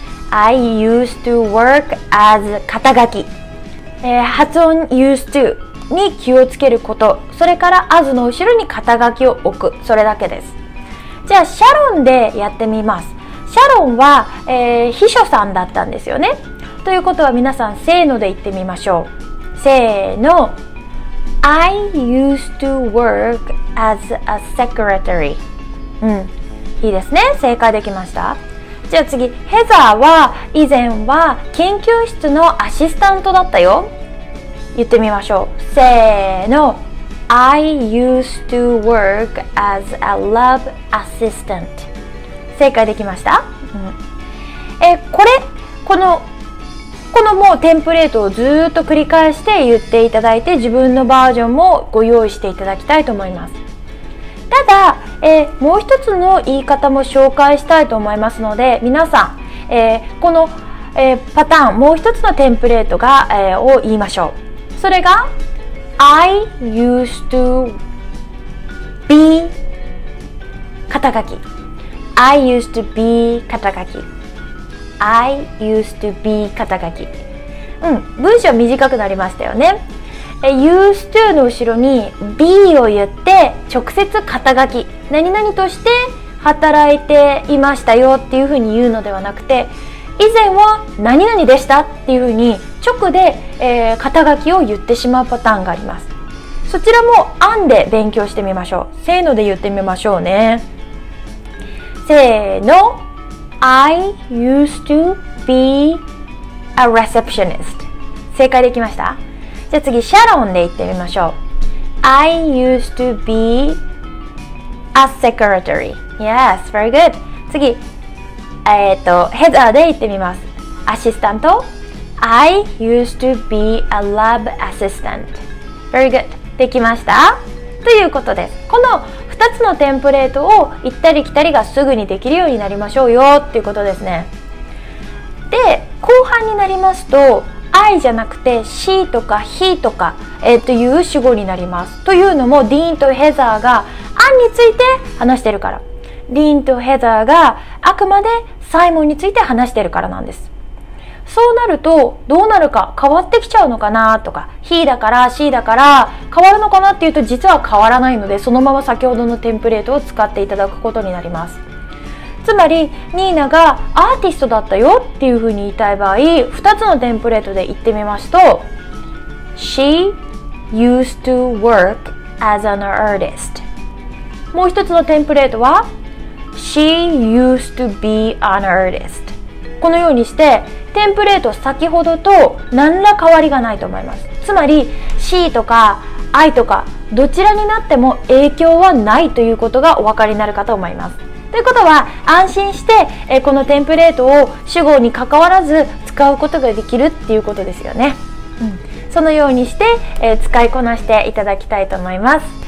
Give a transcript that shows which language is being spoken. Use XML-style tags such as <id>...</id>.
<en>I used to work as</en> <ja>肩書き、発音 used to に気をつけること、それから as の後ろに肩書きを置く、それだけです。じゃあシャロンでやってみます。シャロンは、秘書さんだったんですよね。ということは皆さんせーので言ってみましょう。せーの、</ja> <en>I used to work as a secretary。</en> <ja>うん、いいですね。正解できました。じゃあ次、ヘザーは以前は研究室のアシスタントだったよ。言ってみましょう。せーの、</ja> <en>I used to work as a lab assistant。</en> <ja>正解できました、うん、このもうテンプレートをずっと繰り返して言っていただいて、自分のバージョンもご用意していただきたいと思います。ただ、もう一つの言い方も紹介したいと思いますので、皆さん、この、パターン、もう一つのテンプレートが、を言いましょう。それが</ja> <en>I used to be 肩書き、 I used to be 肩書き、 I used to be 肩書き、</en> <ja>うん、文章短くなりましたよね。 used to の後ろに be を言って直接肩書き、何々として働いていましたよっていう風に言うのではなくて、以前は何々でしたっていう風に直で、肩書きを言ってしまうパターンがあります。そちらも案で勉強してみましょう。せーので言ってみましょうね。せーの、</ja> <en>I used to be a receptionist。</en> <ja>正解できました。じゃあ次、シャロンで言ってみましょう。</ja> <en>I used to be a secretary。 Yes, very good。</en> <ja>次、ヘザーで言ってみます。</ja> <en>アシスタント、 I used to be a lab assistant。 Very good。</en> <ja>できましたということです。この2つのテンプレートを行ったり来たりがすぐにできるようになりましょうよっていうことですね。で、後半になりますと、I じゃなくて She とか He とか、という主語になります。というのも、ディーンとヘザーがアンについて話してるから、ディーンとヘザーがあくまでサイモンについて話してるからなんです。そうなるとどうなるか、変わってきちゃうのかなとか、 He だから She だから変わるのかなっていうと、実は変わらないので、そのまま先ほどのテンプレートを使っていただくことになります。つまり、ニーナがアーティストだったよっていうふうに言いたい場合、2つのテンプレートで言ってみますと、</ja> <en>She used to work as an artist。</en> <ja>もう1つのテンプレートは、</ja> <en>She used to be an artist。</en> <ja>このようにしてテンプレート先ほどと何ら変わりがないと思います。つまり She とか I とかどちらになっても影響はないということがお分かりになるかと思います。ということは、安心してこのテンプレートを主語に関わらず使うことができるっていうことですよね、うん、そのようにして使いこなしていただきたいと思います。</ja>